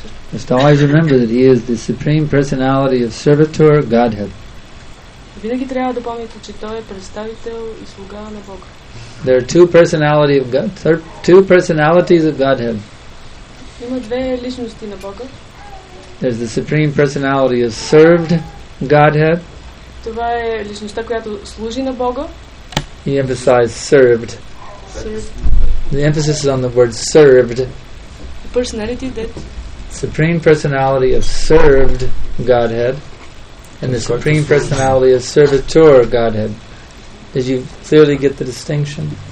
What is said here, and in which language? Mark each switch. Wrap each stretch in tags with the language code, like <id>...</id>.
<en>Just always remember that he is the supreme personality of servitor Godhead.</en> <bg>Винаги трябва да помните, че той е представител и слуга на Бога.</bg> <en>There are two personality of God, two personalities of Godhead.</en> <bg>Има две личности на Бога.</bg> <en>There's the supreme personality of served Godhead.</en> <bg>Това е личността, която служи на Бога.</bg> <en>He emphasized served. Served. The emphasis is on the word served. Personality that supreme personality of served Godhead and the supreme personality of servitor Godhead. Did you clearly get the distinction?</en>